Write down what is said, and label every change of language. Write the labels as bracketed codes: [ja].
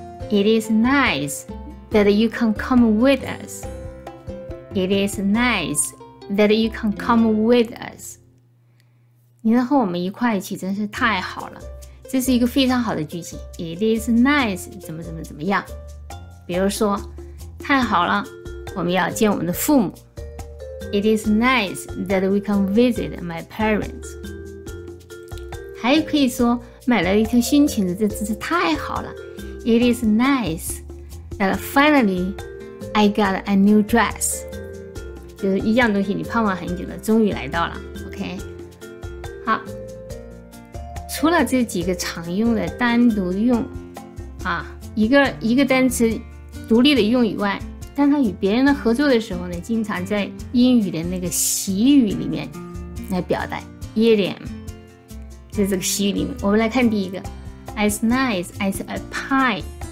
[en] It is nice that you can come with us. It is nice that you can come with us. [zh] 你能和我们一块去真是太好了。这是一个非常好的句型。 [en] It is nice [zh] 怎么怎么怎么样。比如说，太好了，我们要见我们的父母。 [en] It is nice that we can visit my parents. [zh] 还可以说买了一条新裙子，这真是太好了。 [en] It is nice that finally I got a new dress. [zh] 就是一样东西你盼望很久了，终于来到了。 OK， 好。除了这几个常用的单独用啊，一个单词独立的用以外。当他与别人的合作的时候呢，经常在英语的那个习语里面来表达 idiom， 在这个习语里面，我们来看第一个 [en] as nice as a pie。